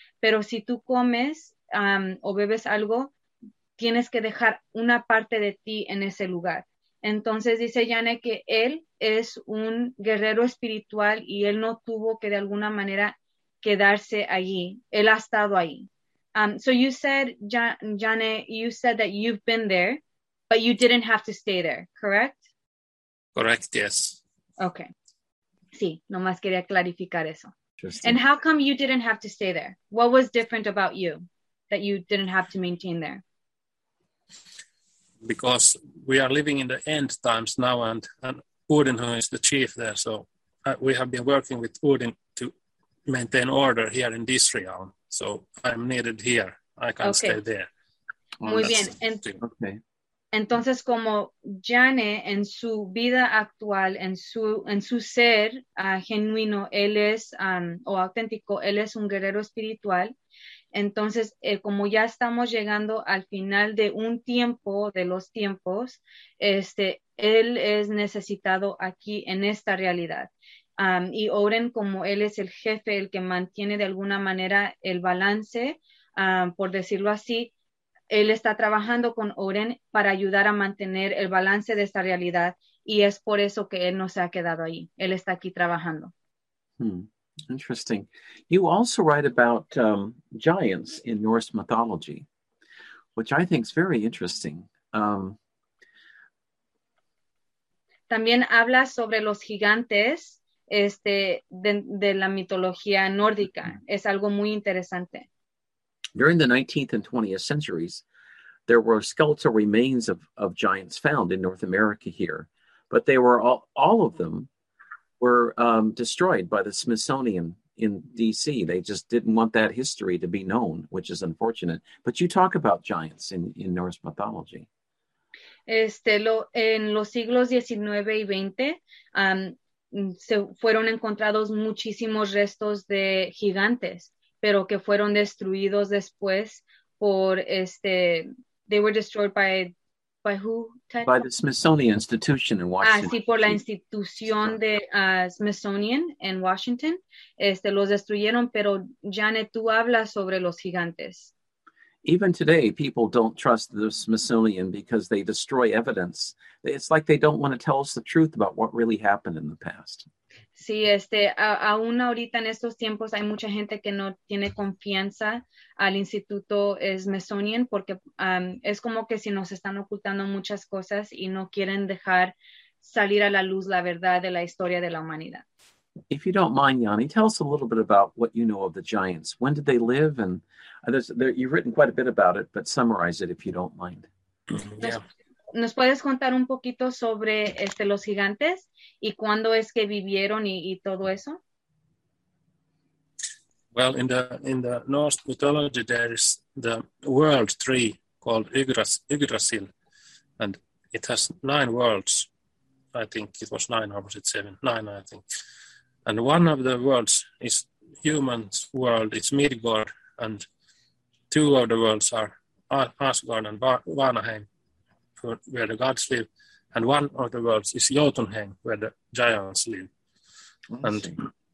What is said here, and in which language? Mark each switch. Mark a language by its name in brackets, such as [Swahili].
[Spanish] Pero si tú comes o bebes algo, tienes que dejar una parte de ti en ese lugar. Entonces dice Yane que él es un guerrero espiritual y él no tuvo que de alguna manera quedarse allí. Él ha estado ahí. [English] So you said, Yane, you said that you've been there, but you didn't have to stay there, correct? Correct, yes. Okay. Sí, nomás quería clarificar eso. And how come you didn't have to stay there? What was different about you that you didn't have to maintain there? Because we are living in the end times now, and Odin, who is the chief there, so we have been working with Odin to maintain order here in this realm. So I'm needed here. I can't stay there. [Spanish] Muy bien. Entonces, como Jane en su vida actual, en su ser genuino, él es o auténtico, él es un guerrero espiritual. Entonces, como ya estamos llegando al final de un tiempo, de los tiempos, él es necesitado aquí en esta realidad. Y Odin, como él es el jefe, el que mantiene de alguna manera el balance, por decirlo así, él está trabajando con Odin para ayudar a mantener el balance de esta realidad, y es por eso que él no se ha quedado ahí. Él está aquí trabajando. [English] Interesting. You also write about giants in Norse mythology, which I think is very interesting. [Spanish] También habla sobre los gigantes de la mitología nórdica. Es algo muy interesante. [English] During the 19th and 20th centuries, there were skeletal remains of giants found in North America here, but they were all of them were destroyed by the Smithsonian in D.C. They just didn't want that history to be known, which is unfortunate. But you talk about giants in Norse mythology. [Spanish] En los siglos 19 y 20, se fueron encontrados muchísimos restos de gigantes, pero que fueron destruidos después por [English] they were destroyed by who? Ted? By the Smithsonian Institution in Washington. [Spanish] Ah, sí, por la institución de Smithsonian en Washington. Los destruyeron, pero Janet, tú hablas sobre los gigantes. [English] Even today, people don't trust the Smithsonian because they destroy evidence. It's like they don't want to tell us the truth about what really happened in the past. [Spanish] Sí, aún ahorita en estos tiempos hay mucha gente que no tiene confianza al Instituto Smithsonian porque es como que si nos están ocultando muchas cosas y no quieren dejar salir a la luz la verdad de la historia de la humanidad. [English] If you don't mind, Yanni, tell us a little bit about what you know of the giants. When did they live? And you've written quite a bit about it, but summarize it if you don't mind. [Spanish] ¿Nos puedes contar un poquito sobre los gigantes y cuándo es que vivieron y todo eso? [English] Well, in the Norse mythology, there is the world tree called Yggdrasil, and it has nine worlds. I think it was nine, or was it seven? Nine, I think. And one of the worlds is human's world, it's Midgard, and two of the worlds are Asgard and Vanaheim, where the gods live, and one of the worlds is Jotunheim, where the giants live. And